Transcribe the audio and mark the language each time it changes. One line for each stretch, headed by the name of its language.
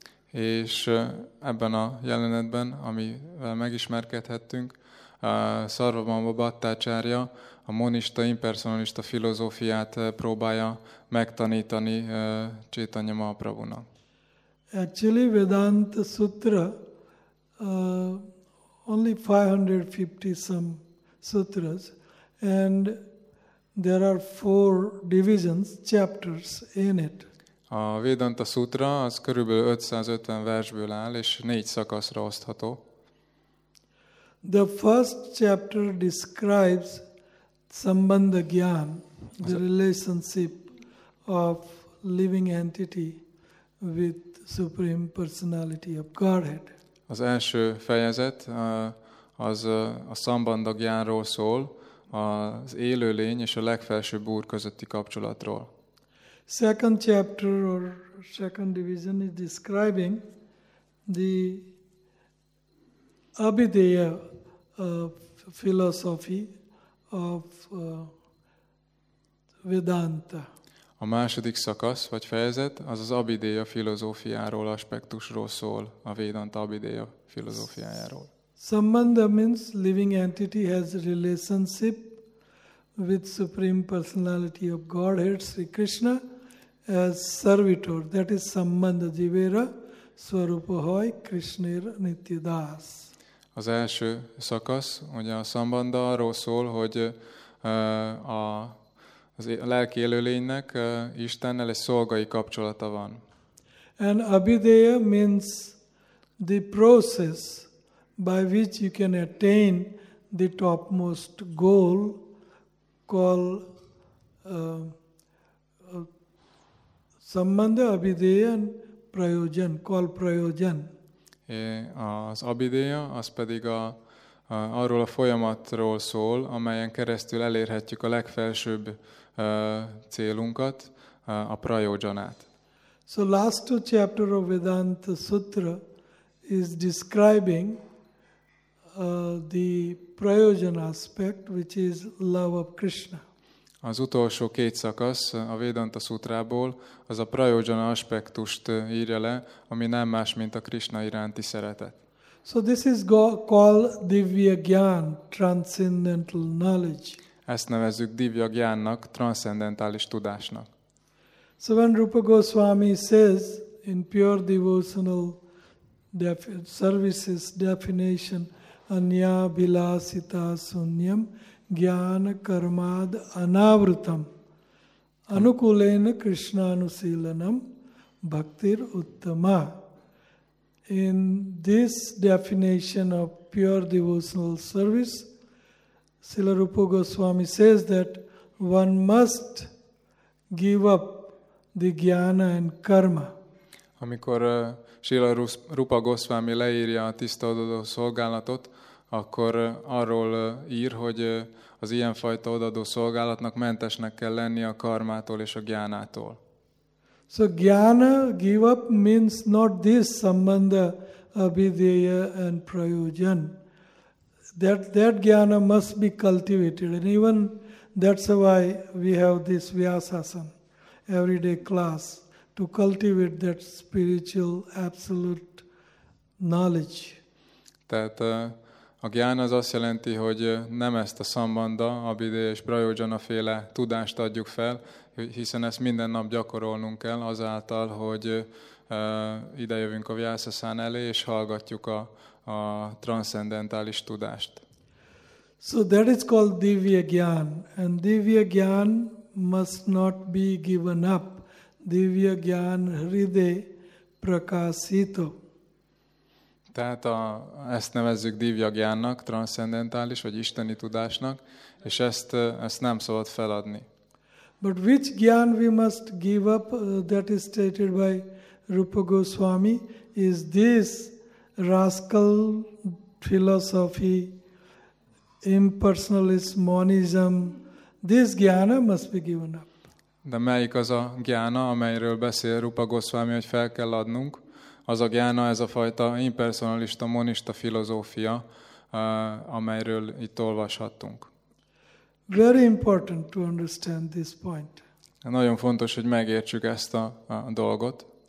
Hungarian: És ebben a jelenetben, amivel megismerkedhettünk, Sarvabhauma Bhattacharya a monista, impersonalista filozófiát próbálja megtanítani Chaitanya Mahaprabhunak.
English: Actually, Vedanta Sutra, only 550 some sutras, and there are four divisions, chapters in it.
Hungarian: A Vedanta Sutra az körülbelül 550 versből áll, és négy szakaszra osztható.
English: The first chapter describes Sambandha Gyan, the relationship of living entity with Supreme Personality of Godhead.
Hungarian: Az első fejezet az a Sambandha Gyanról szól, az élőlény és a legfelsőbb úr közötti kapcsolatról.
English: Second chapter or second division is describing the Abhideya philosophy of Vedanta.
Hungarian: A második szakasz vagy fejezet az az Abhideya filozófiáról, aspektusról szól, a Vedanta Abhideya filozófiájáról.
English: Sambandha means living entity has relationship with Supreme Personality of Godhead, Sri Krishna, as servitor. That is
Bangla: Sambandha Jivera Swarupahoy Krishnir Nityadas.
Hungarian: Az első szakasz, ugye a Sambandha arról szól, hogy a lelki élőlénynek Istennel egy szolgai kapcsolata van.
English: And Abhideya means the process by which you can attain the topmost goal called Sambandha Abhideya and Prayojan, called Prayojan.
Hungarian: Az Abhideya, az pedig arról a folyamatról szól, amelyen keresztül elérhetjük a legfelsőbb célunkat, a Prayojanát.
English: So last two chapter of Vedanta Sutra is describing the Prayojan aspect, which is love of Krishna.
Hungarian: Az utolsó két szakasz a Vedanta Sutrából az a Prayojana aspektust írja le, ami nem más, mint a Krishna iránti szeretet.
English: So this is called Divya Gyan, transcendental knowledge.
Hungarian: Ezt nevezzük Divya Gyannak, transzendentális tudásnak.
English: So when Rupa Goswami says in pure devotional services definition,
Sanskrit: anya bilasita sunyam, gyan karmad anavrutam anukulena krishna anusilanam bhaktir uttama.
English: In this definition of pure devotional service, Srila Rupa Goswami says that one must give up the jnana and karma.
Hungarian: Amikor Srila Rupa Goswami leírja a tiszta odaadó szolgálatot, akkor arról ír, hogy az ilyenfajta odaadó szolgálatnak mentesnek kell lenni a karmától és a jnanától.
English: So jnana, give up, means not this sambandha, abhideya and prayojan. That jnana must be cultivated. And even that's why we have this Vyasasana, everyday class, to cultivate that spiritual absolute knowledge.
Hungarian: Tehát a jnana az azt jelenti, hogy nem ezt a sambandha, abhideya és prayojana féle tudást adjuk fel, hiszen ezt minden nap gyakorolnunk kell azáltal, hogy idejövünk a Vyasasana elé, és hallgatjuk a transzcendentális tudást.
English: So that is called Divya Gyan. And Divya Gyan must not be given up.
Bangla: Divya Gyan Hride Prakasito.
Hungarian: Tehát ezt nevezzük Divya Gyánnak, transzcendentális vagy isteni tudásnak, és ezt nem szabad feladni.
English: But which gyan we must give up, that is stated by Rupa Goswami, is this rascal philosophy, impersonalist monism, this gyana must be given up.
Hungarian: De melyik az a gyana, amelyről beszél Rupa Goswami, hogy fel kell adnunk? Az a gyana, ez a fajta impersonalista, monista filozófia, amelyről itt olvashattunk.
English: Very important to understand this point.
Hungarian: Nagyon fontos, hogy megértsük ezt a dolgot.